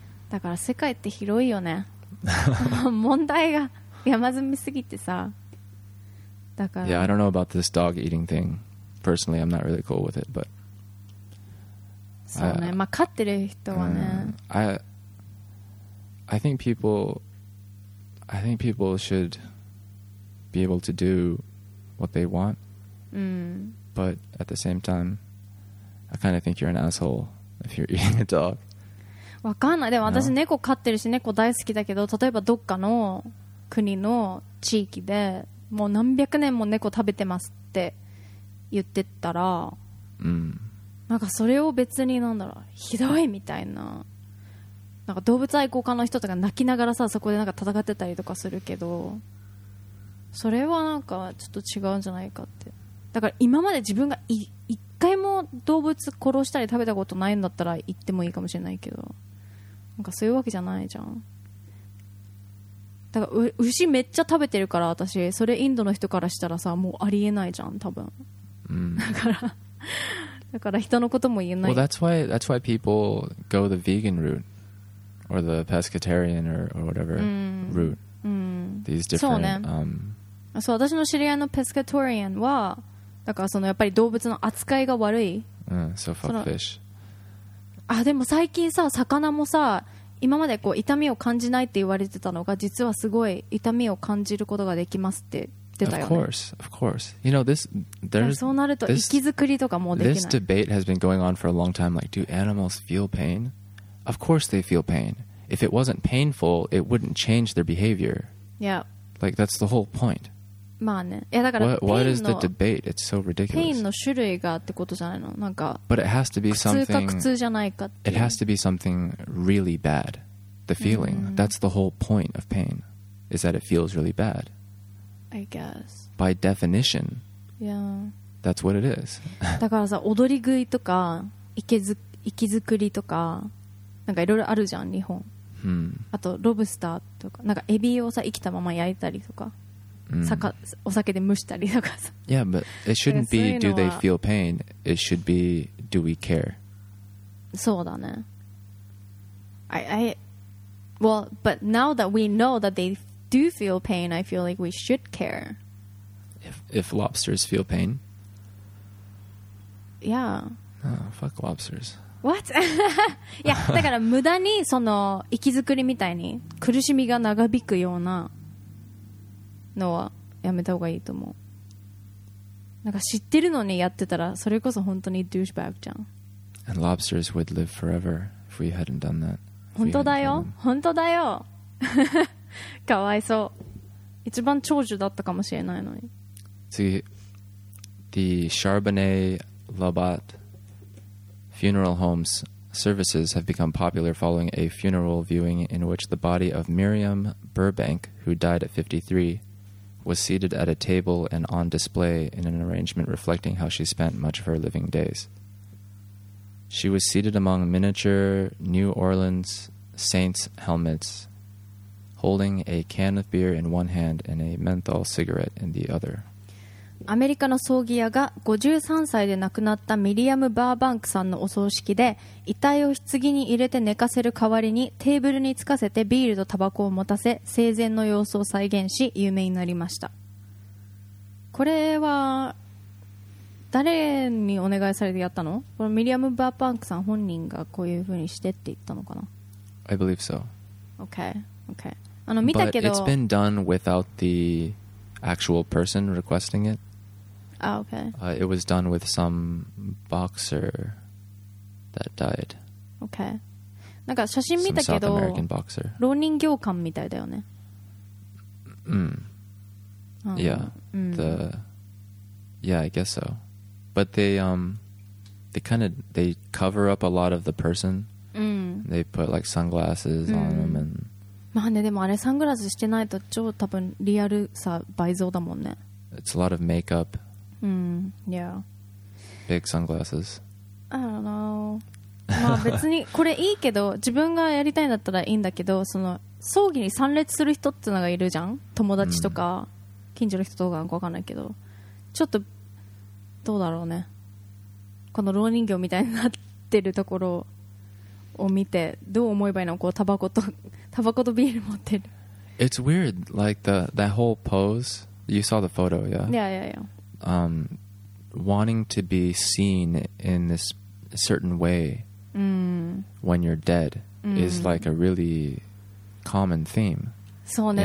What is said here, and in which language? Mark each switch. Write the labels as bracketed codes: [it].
[ja] だから世界って広いよね。問題が山積みすぎてさ。 [en] Yeah, I don't know about this dog eating thing. personally, I'm not really cool with it, but... [ja] そうね。まあ、飼ってる人はね。 [en] I think people should be able to do what they want. But at the same time, I kind of think you're an asshole if you're eating a dog. [ja] わかんない。でも私猫飼ってるし、猫大好きだけど、例えばどっかの国の地域でもう何百年も猫食べてますって言ってったら、なんかそれを別になんだろう、ひどいみたいな、なんか動物愛好家の人とか泣きながらさ、そこでなんか戦ってたりとかするけど、それはなんかちょっと違うんじゃないかって。だから今まで自分が一回も動物殺したり食べたことないんだったら言ってもいいかもしれないけど、なんかそういうわけじゃないじゃん。だから牛めっちゃ食べてるから私、それインドの人からしたらさ、もうありえないじゃん多分。だから人のことも言えない。 [en] Well, that's why people go the vegan route or the pescatarian or whatever route. These different. [ja] そう、私の知り合いのペスカトリアンは、だからそのやっぱり動物の扱いが悪い。 [en] So fuck fish. [ja] あ、でも最近さ、魚もさ、今までこう痛みを感じないって言われてたのが、実はすごい痛みを感じることができますって。 [en] Of course. You know, this debate has been going on for a long time. Like, do animals feel pain? Of course they feel pain. If it wasn't painful, it wouldn't change their behavior. Yeah. Like, that's the whole point. [ja] まあね。いやだから、 [en] what is the debate? It's so ridiculous. [ja] Pain の種類がってことじゃないの？なんか、 [en] but it has to be something, [ja] 苦痛か苦痛じゃないかっていう。 [en] It has to be something really bad. The feeling. Mm-hmm. That's the whole point of pain, is that it feels really bad. I guess. By definition. Yeah. That's what it is. [ja] だからさ、踊り食いとか、息づくりとか、なんかいろいろあるじゃん、日本。あと、ロブスターとか、なんかエビをさ、生きたまま焼いたりとか、お酒で蒸したりとかさ。 [en] Yeah, but it shouldn't be do they feel pain? It should be do we care? [ja] そうだね。 [en] Well, but now that we know that they do feel pain, I feel like we should care. If lobsters feel pain? Yeah. Oh, fuck lobsters. What? [ja] いや、だから無駄にその息づくりみたいに苦しみが長引くようなのはやめた方がいいと思う。なんか知ってるのにやってたらそれこそ本当にドゥーシュバッグじゃん。 [en] And lobsters would live forever if we hadn't done that. [ja] 本当だよ、本当だよ。かわいそう。一番長寿だったかもしれないのに。次、 [en] The Charbonnet Labatt Funeral Home's services have become popular following a funeral viewing in which the body of Miriam Burbank, who died at 53, was seated at a table and on display in an arrangement reflecting how she spent much of her living days. She was seated among miniature New Orleans Saints helmets, holding a can of beer in one hand and a menthol cigarette in the other. [ja] アメリカの葬儀屋が53歳で亡くなったミリアム・バーバンクさんのお葬式で、遺体を棺に入れて寝かせる代わりにテーブルにつかせてビールとタバコを持たせ、生前の様子を再現し有名になりました。これは誰にお願いされてやったの？このミリアム・バーバンクさん本人がこういう風にしてって言ったのかな？ [en] I believe so. Okay. [ja] あの見たけど、 [en] but it's been done without the actual person requesting it. Ah, okay. It was done with some boxer that died. Okay. [ja] なんか写真見たけど、 [en] some South American boxer. [ja] 浪人行官みたいだよね。 [en] Yeah. Yeah, I guess so. But they cover up a lot of the person. They put like sunglasses on them and. [ja] まあね、でもあれサングラスしてないと超多分リアルさ倍増だもんね。 [en] It's a lot of makeup. Yeah. Big sunglasses. I don't know. [ja] まあ別にこれいいけど、自分がやりたいんだったらいいんだけど、その葬儀に参列する人ってのがいるじゃん。友達とか近所の人とかわかんないけど、ちょっとどうだろうね。この老人形みたいになってるところを見てどう思えばいいの？こうタバコとビール持ってる。 [en] It's weird, like that whole pose. You saw the photo, yeah? Yeah. wanting to be seen in this certain way when you're dead is like a really common theme. [ja] そうね、